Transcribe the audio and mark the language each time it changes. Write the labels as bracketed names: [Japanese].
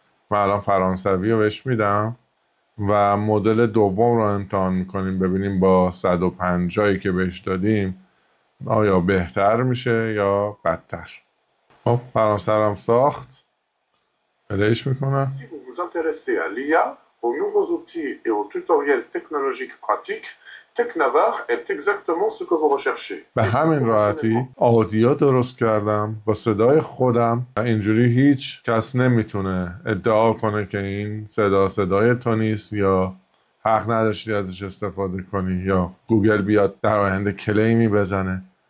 [Persian] من الان فرانسوی رو بهش میدم و مدل دوم رو امتحان میکنیم ببینیم با 150 که بهش دادیم آیا بهتر میشه یا بدتر. خب فرانسه رو هم ساخت. بلهش میکنم. [French] Si vous vous intéressez à l'IA, aux nouveaux outils et aux tutoriels technologiques pratiques, TechNavar est exactement ce que vous recherchez. [Persian] به همین راحتی آدیو درست کردم با صدای خودم. اینجوری هیچ کس نمیتونه ادعا کنه که این صدای تو نیست یا حق نداشتی ازش استفاده کنی یا گوگل بیاد در آینده کلیمی بزنه.